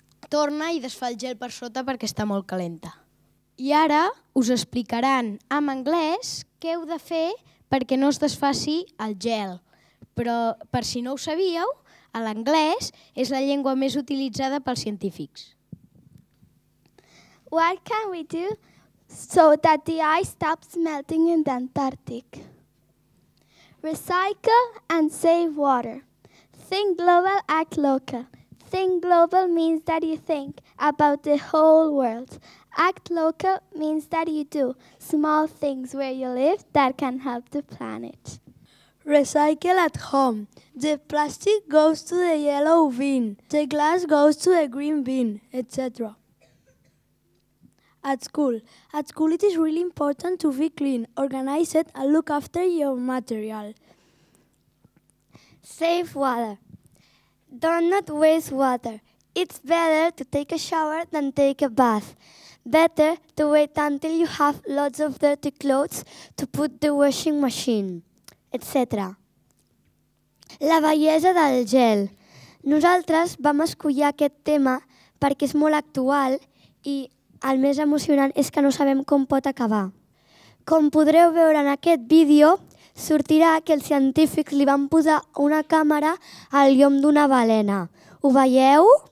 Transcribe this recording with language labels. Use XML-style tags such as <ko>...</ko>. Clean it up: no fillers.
<ca>Torna i desfà el gel per sota perquè està molt calenta. I ara us explicaran en anglès què heu de fer perquè no es desfaci el gel. Però, per si no ho sabíeu, l'anglès és la llengua més utilitzada pels científics.</ca> <en>What can we do so that the ice stops melting in the Antarctic? Recycle and save water. Think global, act local. Think global means that you think about the whole world. Act local means that you do small things where you live that can help the planet. Recycle at home. The plastic goes to the yellow bin. The glass goes to the green bin, etc. At school. At school it is really important to be clean, organized and look after your material. Save water. Do not waste water. It's better to take a shower than take a bath. Better to wait until you have lots of dirty clothes to put the washing machine, etc.</en> <ca>La bellesa del gel. Nosaltres vam escollir aquest tema perquè és molt actual i el més emocionant és que no sabem com pot acabar. Com podreu veure en aquest vídeo, sortirà que els científics li van posar una càmera al llom d'una balena. Ho veieu?</ca>